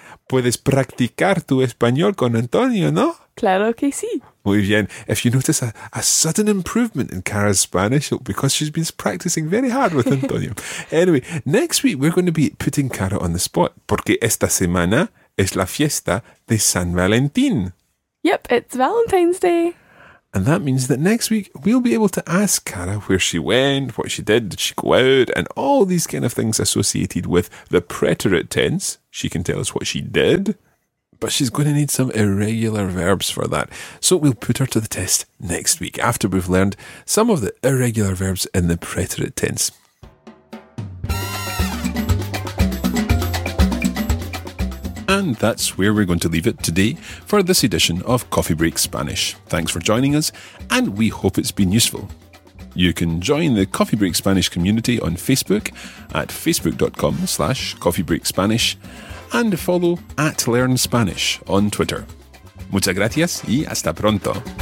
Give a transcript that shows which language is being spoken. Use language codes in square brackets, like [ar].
[es] Puedes practicar tu español con Antonio, ¿no? Claro que sí. Muy bien. [en] If you notice a sudden improvement in Cara's Spanish, because she's been practicing very hard with Antonio. Anyway, next week we're going to be putting Cara on the spot. [es] Porque esta semana es la fiesta de San Valentín. [en] Yep, it's Valentine's Day. And that means that next week we'll be able to ask Cara where she went, what she did she go out, and all these kind of things associated with the preterite tense. She can tell us what she did. But she's going to need some irregular verbs for that. So we'll put her to the test next week after we've learned some of the irregular verbs in the preterite tense. And that's where we're going to leave it today for this edition of Coffee Break Spanish. Thanks for joining us, and we hope it's been useful. You can join the Coffee Break Spanish community on Facebook at facebook.com/coffeebreakspanish. And follow at Learn Spanish on Twitter. [es] Muchas gracias y hasta pronto.